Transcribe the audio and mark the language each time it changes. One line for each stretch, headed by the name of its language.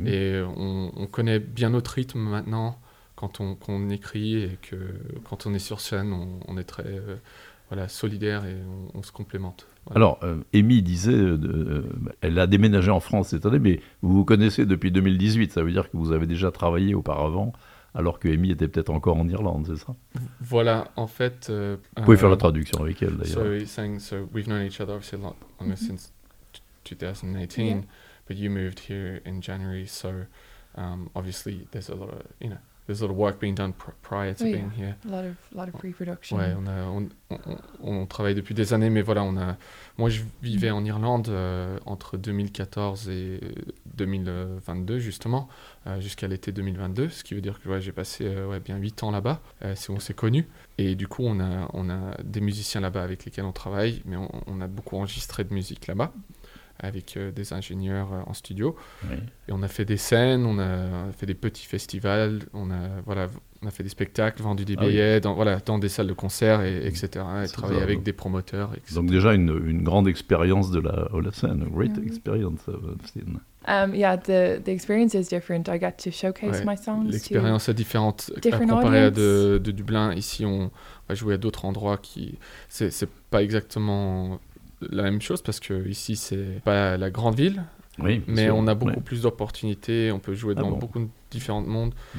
French: Et on connaît bien notre rythme maintenant quand on écrit et que quand on est sur scène, on est très solidaire et on se complémente. Voilà. Alors, Amy disait, elle a déménagé en France cette année, mais vous vous connaissez depuis 2018, ça veut dire que vous avez déjà travaillé auparavant, alors que Amy était peut-être encore en Irlande, c'est ça? Voilà, en fait. Vous pouvez faire la traduction avec elle d'ailleurs.
English: So he's saying, so we've known each other obviously a lot since 2018, yeah. But you moved here in January, so obviously there's a lot of, there's a lot of work being done prior to being here. A lot of pre-production.
French: Ouais, on travaille depuis des années, mais moi je vivais en Irlande entre 2014 et 2022 justement, jusqu'à l'été 2022, ce qui veut dire que j'ai passé bien 8 ans là-bas, c'est où on s'est connus. Et du coup, on a des musiciens là-bas avec lesquels on travaille, mais on a beaucoup enregistré de musique là-bas. Avec des ingénieurs en studio. Oui. Et on a fait des scènes, on a fait des petits festivals, on a fait des spectacles, vendu des billets dans des salles de concert, etc. Et travaillé avec des promoteurs, etc. Donc déjà une grande expérience de la scène, une grande expérience de la scène.
English: The experience is different. I got to showcase my songs.
French: L'expérience est différente comparée à de Dublin. Ici, on va jouer à d'autres endroits qui... C'est pas exactement... la même chose parce que ici c'est pas la grande ville, mais on a beaucoup plus d'opportunités, on peut jouer dans beaucoup de différents mondes.